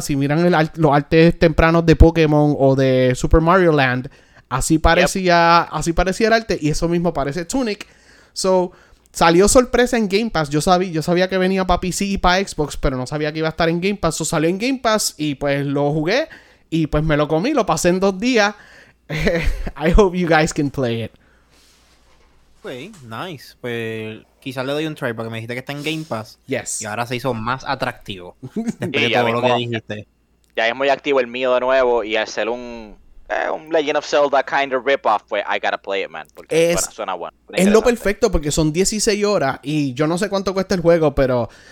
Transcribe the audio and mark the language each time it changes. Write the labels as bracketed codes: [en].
[es] Si miran los artes tempranos de Pokémon o de Super Mario Land, así parecía, yep. Así parecía el arte, y eso mismo parece Tunic. So, salió sorpresa en Game Pass. Yo sabía que venía para PC y para Xbox, pero no sabía que iba a estar en Game Pass. So, salió en Game Pass y pues lo jugué y pues me lo comí, lo pasé en 2 días. [en] I hope you guys can play it. Ok, nice. [es] Pues quizás le doy un try porque me dijiste que está en Game Pass. [en] Yes. [es] Y ahora se hizo más atractivo. Después de todo lo que dijiste. Ya es muy activo el mío de nuevo. Y al ser un [en] Legend of Zelda kind of rip-off, [es] pues [en] I gotta play it, man. [es] Porque suena bueno. Es lo perfecto porque son 16 horas y yo no sé cuánto cuesta el juego, pero...